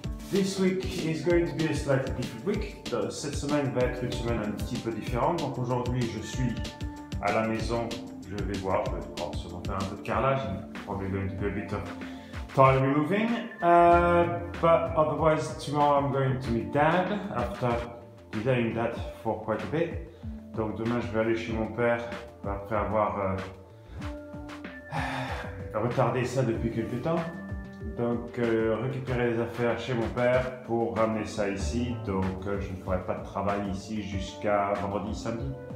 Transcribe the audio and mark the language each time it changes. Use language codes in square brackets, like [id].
[en] This week is going to be a slightly different week. [fr] Cette semaine va être une semaine un petit peu différente. Donc aujourd'hui, je suis à la maison. Je vais sûrement faire un peu de carrelage. [en] Probably going to be a bit of tile removing. But otherwise, tomorrow I'm going to meet Dad after delaying that for quite a bit. [fr] Donc demain, je vais aller chez mon père après avoir retardé ça depuis quelque temps. Donc récupérer les affaires chez mon père pour ramener ça ici. Donc je ne ferai pas de travail ici jusqu'à vendredi, samedi.